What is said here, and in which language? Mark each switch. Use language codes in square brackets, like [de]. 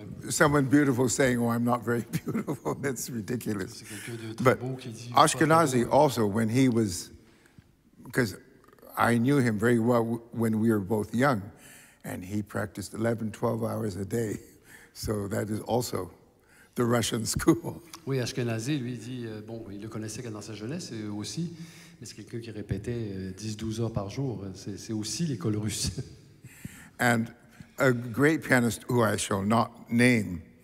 [en] someone beautiful saying, oh, I'm not very beautiful. That's ridiculous. But Ashkenazi also, when he was, because I knew him very well when we were both young, and he practiced 11, 12 hours a day. So that is also the Russian school. [fr] Oui, Ashkenazi, lui dit, bon, il le connaissait dans sa jeunesse aussi, mais c'est quelqu'un qui répétait 10-12 heures par jour. C'est aussi l'école russe. [en] And a great pianist who I shall not name.